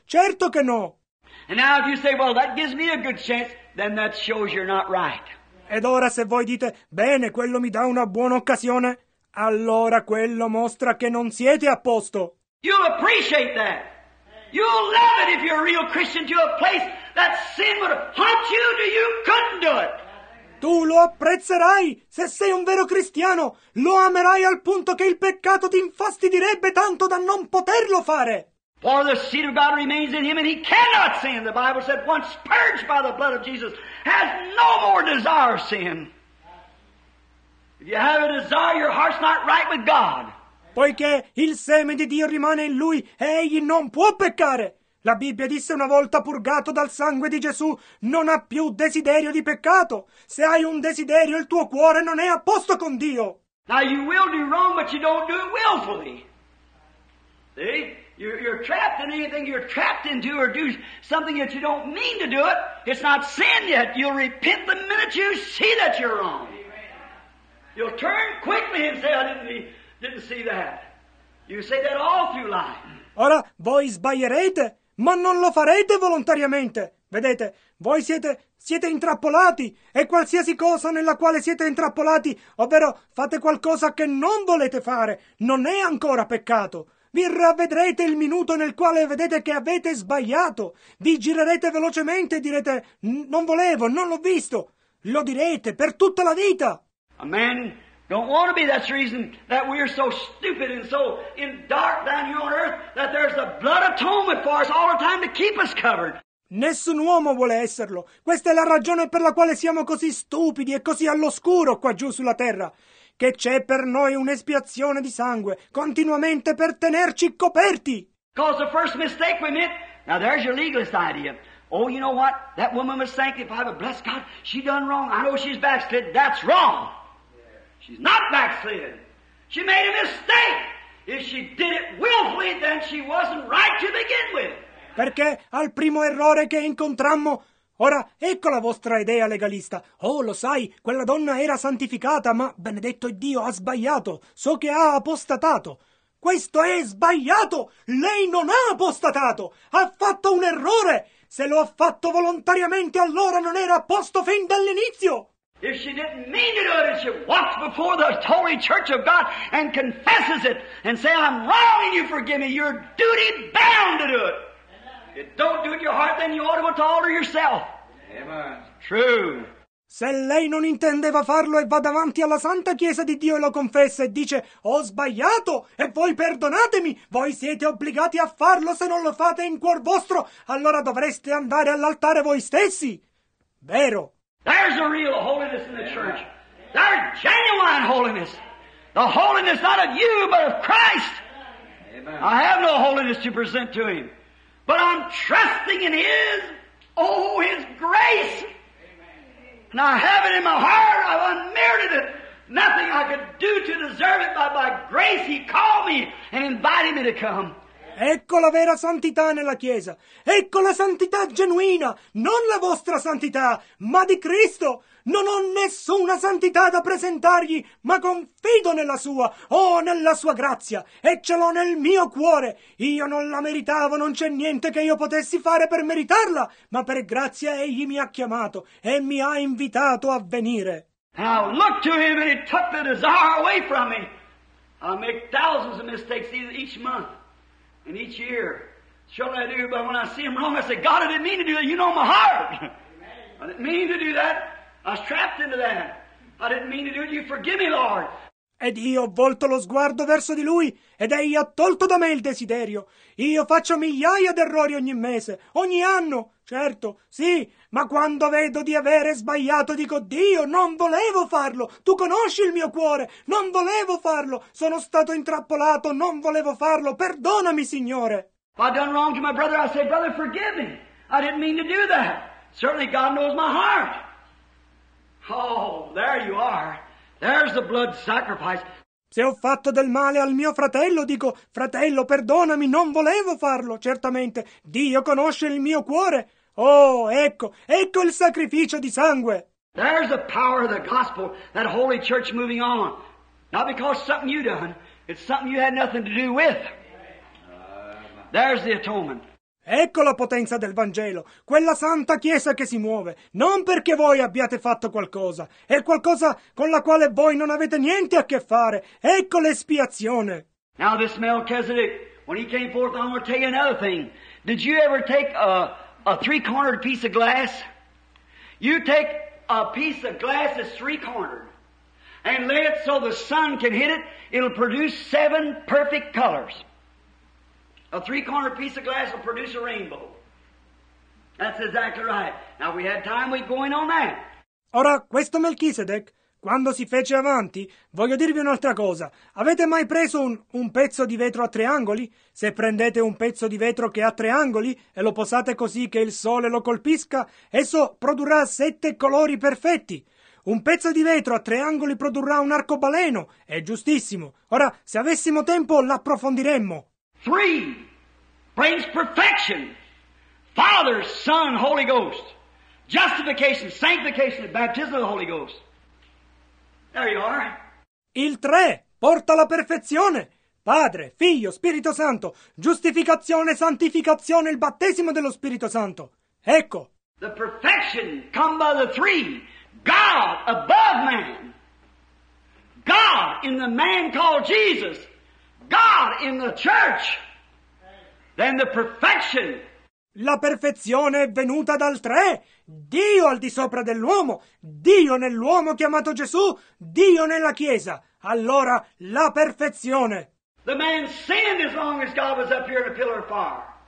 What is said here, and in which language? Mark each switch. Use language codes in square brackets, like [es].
[it] Certo che no. [en] And now if you say, well, that gives me a good chance, then that shows you're not right. [it] Ed ora se voi dite, bene, quello mi dà una buona occasione, allora quello mostra che non siete a posto. [en] You appreciate that. You'll love it if you're a real Christian to a place that sin would haunt you to you couldn't do it. [it] Tu lo apprezzerai se sei un vero cristiano. Lo amerai al punto che il peccato ti infastidirebbe tanto da non poterlo fare. [en] For the seed of God remains in him and he cannot sin. The Bible said once purged by the blood of Jesus has no more desire of sin. If you have a desire, your heart's not right with God. [it] Poiché il seme di Dio rimane in lui, egli non può peccare. La Bibbia disse una volta purgato dal sangue di Gesù, non ha più desiderio di peccato. Se hai un desiderio, il tuo cuore non è a posto con Dio. [en] Now you will do wrong, but you don't do it willfully. See? You're trapped in anything you're trapped into or do something that you don't mean to do it. It's not sin yet. You'll repent the minute you see that you're wrong. You'll turn quickly and say, I didn't see that. You say that all through life. [it] Ora, voi sbaglierete, ma non lo farete volontariamente. Vedete, voi siete intrappolati, e qualsiasi cosa nella quale siete intrappolati, ovvero fate qualcosa che non volete fare, non è ancora peccato. Vi ravvedrete il minuto nel quale vedete che avete sbagliato. Vi girerete velocemente e direte, non volevo, non l'ho visto. Lo direte per tutta la vita. [en] Amen. Don't want to be. That's the reason that we are so stupid and so in dark down here on earth that there's the blood atonement for us all the time to keep us covered. [it] Nessun uomo vuole esserlo. Questa è la ragione per la quale siamo così stupidi e così all'oscuro qua giù sulla terra. Che c'è per noi un'espiazione di sangue continuamente per tenerci coperti. [en] Cause the first mistake we made. Now there's your legalist idea. Oh, you know what? That woman was sanctified, but bless God, she done wrong. I know she's backslid. That's wrong. She's not backslid. She made a mistake. If she did it willfully, then she wasn't right to begin with. [it] Perché al primo errore che incontrammo, ora ecco la vostra idea legalista. Oh, lo sai, quella donna era santificata, ma benedetto Dio ha sbagliato. So che ha apostatato. Questo è sbagliato. Lei non ha apostatato. Ha fatto un errore. Se lo ha fatto volontariamente, allora non era a posto fin dall'inizio. [en] If she didn't mean to do it, if she walks before the holy church of God and confesses it and say, I'm wrong and you forgive me, you're duty bound to do it. If you don't do it in your heart, then you ought to go to altar yourself. Amen. True. [it] Se lei non intendeva farlo e va davanti alla Santa Chiesa di Dio e lo confessa e dice, ho sbagliato e voi perdonatemi, voi siete obbligati a farlo. Se non lo fate in cuor vostro, allora dovreste andare all'altare voi stessi. Vero. [en] There's a real holiness in the church. There's genuine holiness. The holiness not of you, but of Christ. Amen. I have no holiness to present to him. But I'm trusting in his grace. Amen. And I have it in my heart. I've unmerited it. Nothing I could do to deserve it, but by grace he called me and invited me to come. [it] Ecco la vera santità nella Chiesa. Ecco la santità genuina, non la vostra santità, ma di Cristo. Non ho nessuna santità da presentargli, ma confido nella sua, nella sua grazia, e ce l'ho nel mio cuore. Io non la meritavo, non c'è niente che io potessi fare per meritarla, ma per grazia egli mi ha chiamato e mi ha invitato a venire. [en] Now look to him and he took the desire away from me. I make thousands of mistakes each month and each year. Shouldn't I do? But when I see him wrong, I say, God, I didn't mean to do that. You know my heart. Amen. I didn't mean to do that. I was trapped into that. I didn't mean to do it. You forgive me, Lord. [it] Ed io ho volto lo sguardo verso di lui, ed egli ha tolto da me il desiderio. Io faccio migliaia d'errori ogni mese, ogni anno, certo, sì, ma quando vedo di avere sbagliato dico, Dio, non volevo farlo, tu conosci il mio cuore, non volevo farlo, sono stato intrappolato, non volevo farlo, perdonami, Signore. [en] I've done wrong to my brother, I said, brother, forgive me, I didn't mean to do that. Certainly God knows my heart. Oh, there you are. There's the blood sacrifice. [it] Se ho fatto del male al mio fratello, dico, fratello, perdonami, non volevo farlo, certamente. Dio conosce il mio cuore. Oh, ecco il sacrificio di sangue. [en] There's the power of the gospel, that holy church moving on. Not because something you done, it's something you had nothing to do with. There's the atonement. [it] Ecco la potenza del Vangelo, quella santa chiesa che si muove, non perché voi abbiate fatto qualcosa, è qualcosa con la quale voi non avete niente a che fare. Ecco l'espiazione. [en] Now this Melchizedek, when he came forth, I'm going to tell you another thing. Did you ever take a three-cornered piece of glass? You take a piece of glass that's three-cornered and lay it so the sun can hit it, it'll produce seven perfect colors. A three-cornered piece of glass will produce a rainbow. That's exactly right. Now, we had time, we'd go in on that. [it] Ora, questo Melchisedec, quando si fece avanti, voglio dirvi un'altra cosa. Avete mai preso un pezzo di vetro a tre angoli? Se prendete un pezzo di vetro che ha tre angoli e lo posate così che il sole lo colpisca, esso produrrà sette colori perfetti. Un pezzo di vetro a tre angoli produrrà un arcobaleno. È giustissimo. Ora, se avessimo tempo, l'approfondiremmo. [en] Three brings perfection. Father, Son, Holy Ghost. Justification, sanctification, and baptism of the Holy Ghost. There you are. [it] Il tre porta la perfezione. Padre, Figlio, Spirito Santo. Giustificazione, santificazione, il battesimo dello Spirito Santo. Ecco. [en] The perfection come by the three. God above man. God in the man called Jesus. God in the church, then the perfection. [it] La perfezione è venuta dal tre. Dio al di sopra dell'uomo. Dio nell'uomo chiamato Gesù. Dio nella Chiesa. Allora la perfezione. [en] The man sinned as long as God was up here in a pillar of fire.